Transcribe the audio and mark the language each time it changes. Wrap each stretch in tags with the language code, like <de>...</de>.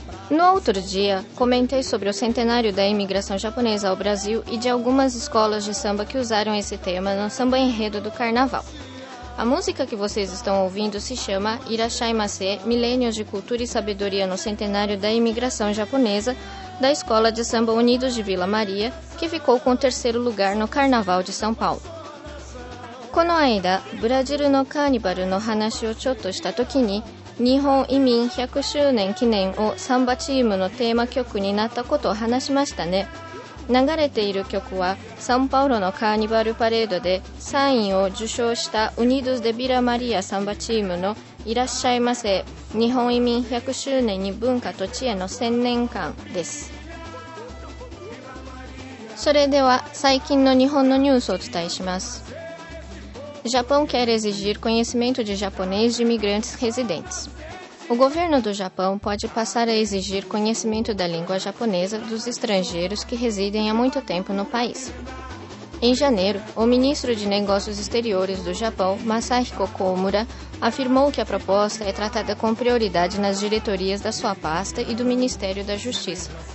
<pt>No outro dia, comentei sobre o centenário da imigração japonesa ao Brasil e de algumas escolas de samba que usaram esse tema no samba enredo do carnaval. A música que vocês estão ouvindo se chama Irashaimase, Milênios de Cultura e Sabedoria no Centenário da Imigração Japonesa, da Escola de Samba Unidos de Vila Maria, que ficou com o terceiro lugar no Carnaval de São Paulo.</pt> <ja>この間、ブラジルのカーニバルの話をちょっとした時に、日本移民100周年記念をサンバチームのテーマ曲になったことを話しましたね。流れている曲は、サンパウロのカーニバルパレードで3位を受賞したUnidos de Vila Maria サンバチームのいらっしゃいませ。日本移民100周年に文化と知恵の千年館です。それでは最近の日本のニュースをお伝えします。</ja> <pt>Japão quer exigir conhecimento de japonês de imigrantes residentes. O governo do Japão pode passar a exigir conhecimento da língua japonesa dos estrangeiros que residem há muito tempo no país. Em janeiro, o ministro de Negócios Exteriores do Japão, Masahiko Komura, afirmou que a proposta é tratada com prioridade nas diretorias da sua pasta e do Ministério da Justiça.</pt>